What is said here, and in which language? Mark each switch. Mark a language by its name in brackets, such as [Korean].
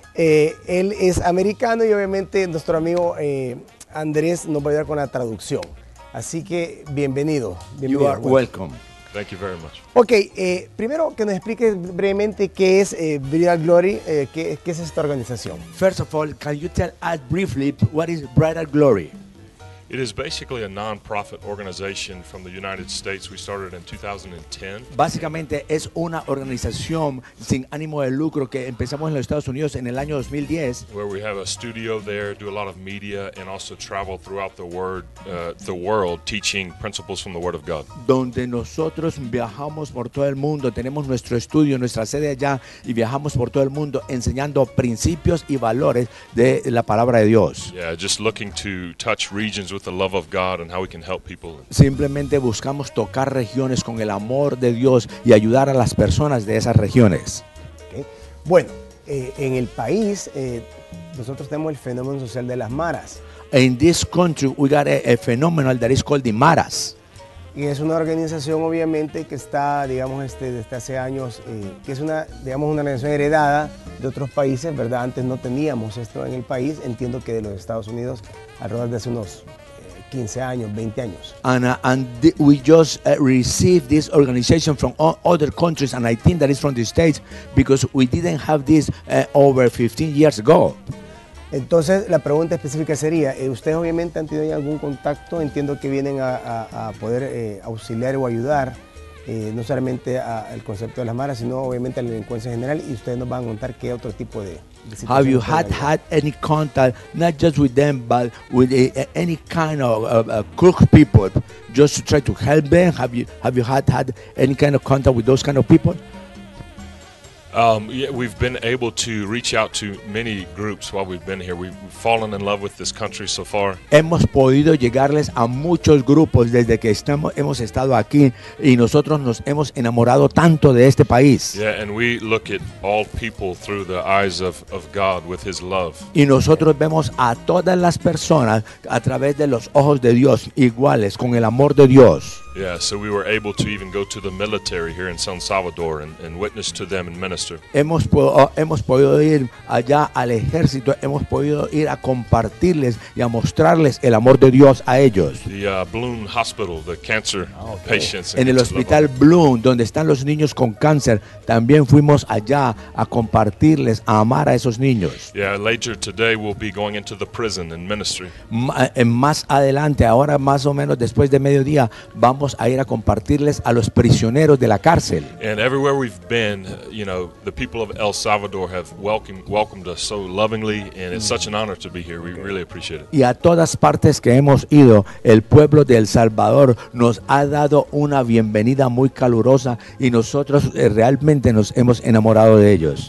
[Spanish] Él es americano y obviamente nuestro amigo Andrés nos va a ayudar con la traducción. Así que, bienvenido. [English] You are welcome. Thank you very much. [Spanish] Okay, primero que nos explique brevemente qué es Bridal Glory, qué es esta organización. [English] First of all, can you tell us briefly what is Bridal Glory? It is basically a non-profit organization from the United States. We started in 2010. [Spanish] Básicamente es una organización sin ánimo de lucro que empezamos en los Estados Unidos en el año 2010. [English] Where we have a studio there, do a lot of media, and also travel throughout the world, teaching principles from the Word of God. [Spanish] Donde nosotros viajamos por todo el mundo, tenemos nuestro estudio, nuestra sede allá, y viajamos por todo el mundo enseñando principios y valores de la palabra de Dios. [English] Yeah, just looking to touch regions with the love of God and how we can help people. [Spanish] Simplemente buscamos tocar regiones con el amor de Dios y ayudar a las personas de esas regiones. Okay. Bueno, en el país nosotros tenemos el fenómeno social de las maras. [English] In this country we got a phenomenon that is called the maras. [Spanish] Y es una organización obviamente que está, digamos, desde hace años, que es una, digamos, una organización heredada de otros países, ¿verdad? Antes no teníamos esto en el país, entiendo que de los Estados Unidos, alrededor de hace unos 15 años, 20 años. [English] And we just received this organization from other countries, and I think that is from the States, because we didn't have this over 15 years ago. [Spanish] Entonces, la pregunta específica sería, ¿ustedes obviamente han tenido algún contacto? Entiendo que vienen a poder auxiliar o ayudar, no solamente al concepto de las maras, sino obviamente a la delincuencia en general, y ustedes nos van a contar qué otro tipo de situación. [English] Have you had any contact, not just with them, but with any kind of crook people, just to try to help them? Have you had any kind of contact with those kind of people? Yeah, we've been able to reach out to many groups while we've been here. We've fallen in love with this country so far. [Spanish] Hemos podido llegarles a muchos grupos desde que hemos estado aquí, y nosotros nos hemos enamorado tanto de este país. [English] Yeah, and we look at all people through the eyes of God with His love. [Spanish] Y nosotros vemos a todas las personas a través de los ojos de Dios, iguales con el amor de Dios. [English] Yeah, so we were able to even go to the military here in San Salvador and witness to them and minister. [Spanish] Hemos podido ir allá al ejército, hemos podido ir a compartirles y a mostrarles el amor de Dios a ellos. [English] The Bloom Hospital, the cancer patients. [Spanish] En el hospital Bloom, donde están los niños con cáncer, también fuimos allá a compartirles, a amar a esos niños. [English] Yeah, later today we'll be going into the prison and ministry. [Spanish] Más adelante, ahora más o menos después de mediodía, vamos a ir a compartirles a los prisioneros de la cárcel. [English] And everywhere we've been, you know, the people of El Salvador have welcomed us so lovingly, and it's such an honor to be here. We really appreciate it. [Spanish] Y a todas partes que hemos ido, el pueblo de El Salvador nos ha dado una bienvenida muy calurosa, y nosotros realmente nos hemos enamorado de ellos.